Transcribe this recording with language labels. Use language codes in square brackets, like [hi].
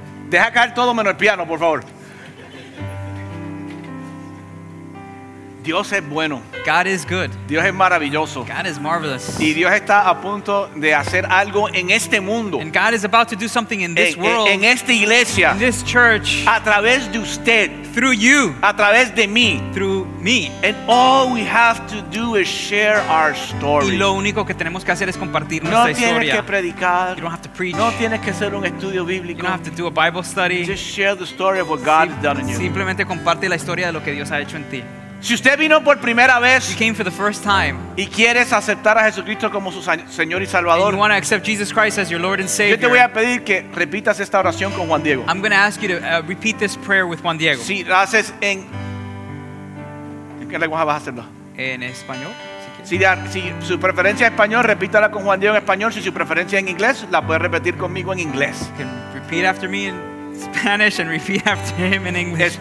[es] Deja caer todo menos el piano, por favor. Dios es bueno. [en] God is good. [es] Dios es maravilloso. [en] God is marvelous. [es] Y Dios está a punto de hacer algo en este mundo. [en] And God is about to do something in this world. [es] En esta iglesia. [en] In this church. [es] A través de usted. [en] Through you. [es] A través de mí. [en] Through me. And all we have to do is share our story. [es] Y lo único que tenemos que hacer es compartir no nuestra historia. No tienes que predicar. [en] You don't have to preach. [es] No tienes que hacer un estudio bíblico. [en] You don't have to do a Bible study. Just share the story of what God has done in you. [es] Simplemente comparte la historia de lo que Dios ha hecho en ti. Si usted vino por primera vez, [en] you came for the first time, [es] y quieres aceptar a Jesucristo como su Señor y Salvador, [en] and you want to accept Jesus Christ as your Lord and Savior, [es] yo te voy a pedir que repitas esta oración con Juan Diego. [en] I'm going to ask you to repeat this prayer with Juan Diego. [es] Si la haces en qué lenguaje vas a hacerlo? En español. Si su preferencia es español, repítala con Juan Diego en español. Si su preferencia es en inglés, la puede repetir conmigo en inglés. [en] Repeat after me in Spanish and repeat after him in English.